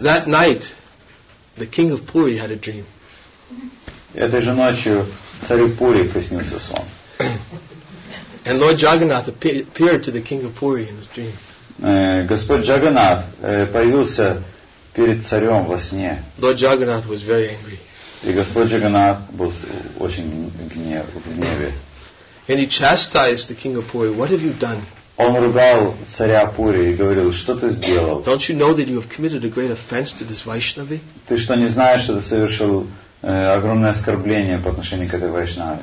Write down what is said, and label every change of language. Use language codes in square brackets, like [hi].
[en] That night, the king of Puri had a dream. [ru] Этой же ночью царю Пури приснился сон. [en] And Lord Jagannath appeared to the king of Puri in his dream. [ru] Господь Джаганнат появился перед царем во сне. [en] Lord Jagannath was very angry. [ru] И Господь Джаганнат был очень в гневе. [en] And he chastised the king of Puri. What have you done? [ru] Он ругал царя Пури и говорил: что ты сделал? [en] Don't you know that you have committed a great offense to this Vaishnavi? [ru] Ты что, не знаешь, что ты совершил огромное оскорбление по отношению к этой Вайшнаве?